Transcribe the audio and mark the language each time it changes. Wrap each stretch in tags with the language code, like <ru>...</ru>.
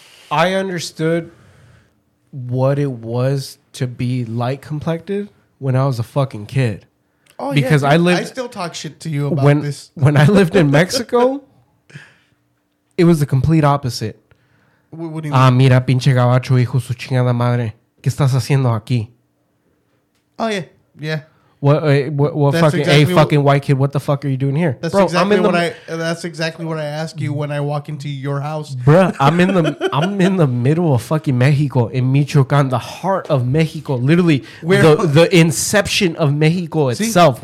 <en>I understood what it was to be light-complected when I was a fucking kid. Oh, because yeah. I still talk shit to you about this. When I lived in Mexico, it was the complete opposite. What do you</en> <es>Ah, mira, pinche gabacho, hijo, su chingada madre. ¿Qué estás haciendo aquí?</es> <en>Oh, yeah. Yeah. What fucking, exactly, hey, fucking white kid, what the fuck are you doing here? That's bro, exactly that's exactly what I ask you when I walk into your house. Bruh, I'm in the middle of fucking Mexico, in Michoacán, the heart of Mexico, literally the inception of Mexico itself. See?</en>